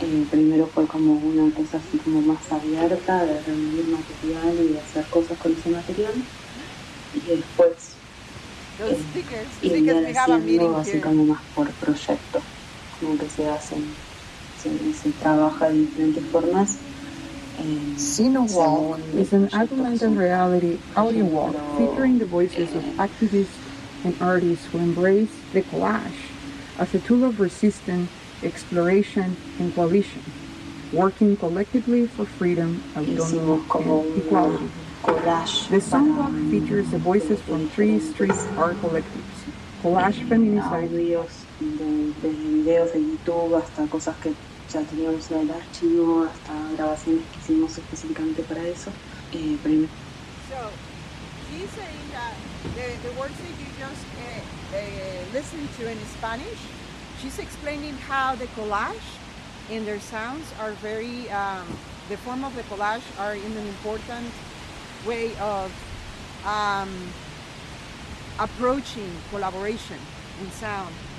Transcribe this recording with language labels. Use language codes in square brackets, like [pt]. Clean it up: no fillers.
[es] Primero fue como una cosa así como más abierta de reunir material y hacer cosas con ese material, y después ir haciendo así como más por proyecto, como que se hacen, se trabaja de diferentes formas. [en] CineWalk is an augmented reality audio walk featuring the voices of activists and artists who embrace the collage as a tool of resistance, exploration, and coalition, working collectively for freedom, autonomy, and equality. The song walk features the voices from three street art collectives, collage feminist [es] audios de videos de YouTube, hasta cosas que ya teníamos en el archivo, hasta grabaciones que hicimos específicamente para eso. Primero. [en] So, he's saying that the words that you just listened to in Spanish, she's explaining how the collage and their sounds are very, the form of the collage are in an important way of approaching collaboration in sound.